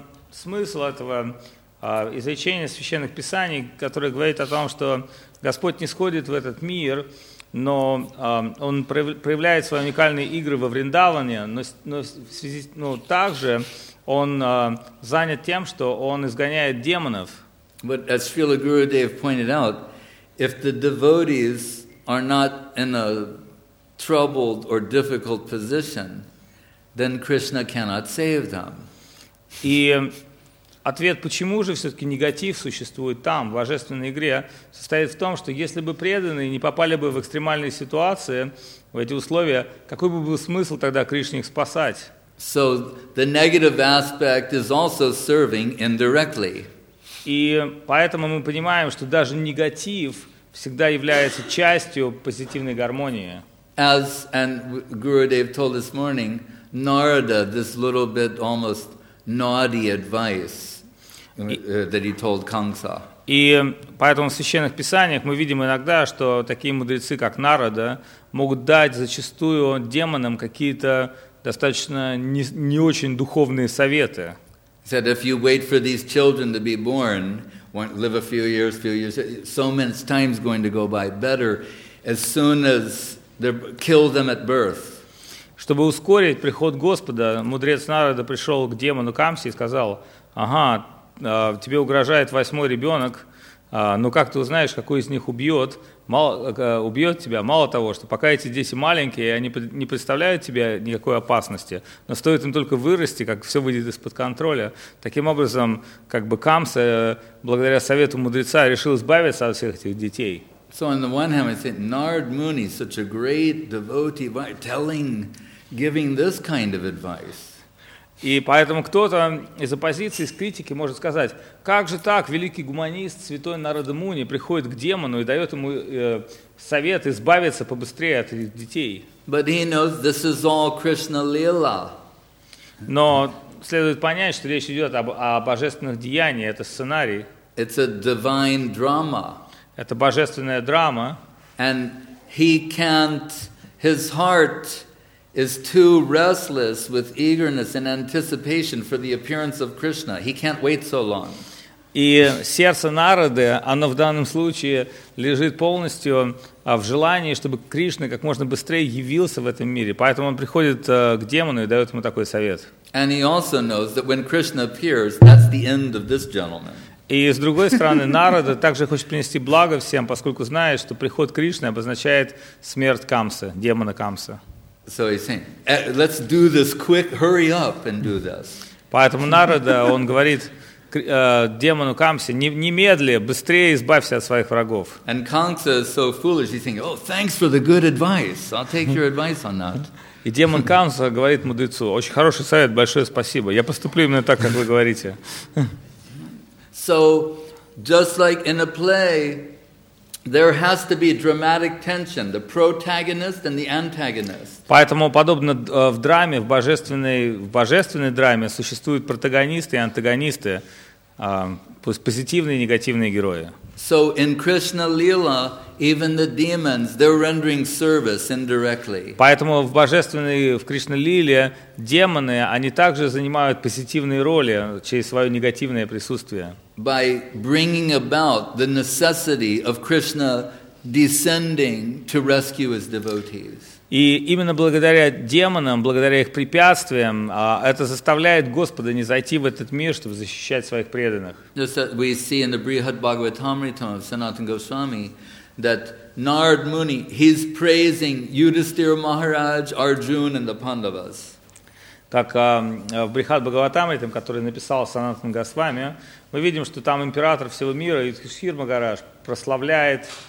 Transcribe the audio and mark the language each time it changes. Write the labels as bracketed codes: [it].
[ru] Смысл этого изречения священных писаний, которое говорит о том, что Господь не сходит в этот мир, но Он проявляет свои уникальные игры во Вриндаване, но также Он занят тем, что Он изгоняет демонов. [en] But as Srila Gurudev pointed out, if the devotees are not in a troubled or difficult position, then Krishna cannot save them. [ru] И ответ, почему же все-таки негатив существует там, в божественной игре, состоит в том, что если бы преданные не попали бы в экстремальные ситуации, в эти условия, какой бы был смысл тогда Кришне их спасать? [en] So the negative aspect is also serving indirectly. [ru] И поэтому мы понимаем, что даже негатив всегда является частью позитивной гармонии. [en] As and Gurudev told this morning, Narada, this little bit almost naughty advice that he told Kamsa. [ru] И поэтому в священных писаниях мы видим иногда, что такие мудрецы, как Нарада, могут дать зачастую демонам какие-то достаточно не очень духовные советы. [en] He said, if you wait for these children to be born, live a few years, so much time is going to go by better as soon as they kill them at birth. [ru] Чтобы ускорить приход Господа, мудрец Нарада пришел к демону Камсе и сказал, ага, тебе угрожает восьмой ребенок, но как ты узнаешь, какой из них убьет? Убьет тебя, мало того, что пока эти дети маленькие, они не представляют тебе никакой опасности, но стоит им только вырасти, как все выйдет из-под контроля. Таким образом, как бы Камса, благодаря совету мудреца, решил избавиться от всех этих детей. [en] So on the one hand, I think Nard Muni, such a great devotee, by telling, giving this kind of advice. [ru] И поэтому кто-то из оппозиции, из критики может сказать, как же так великий гуманист, святой Нарада Муни приходит к демону и дает ему совет избавиться побыстрее от этих детей. [en] But he knows this is all Krishna Lila. [ru] Но следует понять, что речь идет о божественных деяниях, это сценарий. [en] It's a divine drama. [ru] Это божественная драма. [en] And he can't, his heart is too restless with eagerness and anticipation for the appearance of Krishna. He can't wait so long. [ru] И сердце Нарады, оно в данном случае лежит полностью в желании, чтобы Кришна как можно быстрее явился в этом мире. Поэтому он приходит к демону и дает ему такой совет. [en] And he also knows that when Krishna appears, that's the end of this gentleman. [ru] И с другой стороны, Нарада также хочет принести благо всем, поскольку знает, что приход Кришны обозначает смерть Камсы, демона Камсы. [en] So he's saying, let's do this quick, hurry up and do this. [ru] Поэтому Нарада, он говорит демону Камсе, немедли, быстрее избавься от своих врагов. [en] And Kamsa is so foolish, he's thinking, oh, thanks for the good advice. I'll take your advice on that. [ru] И демон Камса говорит мудрецу, очень хороший совет, большое спасибо. Я поступлю именно так, как вы говорите. [en] So, just like in a play, there has to be dramatic tension, the protagonist and the antagonist. [ru] Поэтому, подобно в драме, в божественной драме существуют протагонисты и антагонисты, позитивные и негативные герои. [en] So in Krishna Lila, even the demons, they're rendering service indirectly. [ru] Поэтому в Кришна Лиле демоны, они также занимают позитивные роли через свое негативное присутствие. [en] By bringing about the necessity of Krishna descending to rescue his devotees. [ru] И именно благодаря демонам, благодаря их препятствиям, это заставляет Господа не зайти в этот мир, чтобы защищать своих преданных. [en] Just that we see in the Brihad Bhagavatamrita of Sanatana Goswami that Narad Muni, he's praising Yudhisthira Maharaj, Arjuna and the Pandavas. [ru] Как в Брихад Бхагаватамрите, который написал Санатан Госвами, мы видим, что там император всего мира Юдхиштхир Махарадж прославляет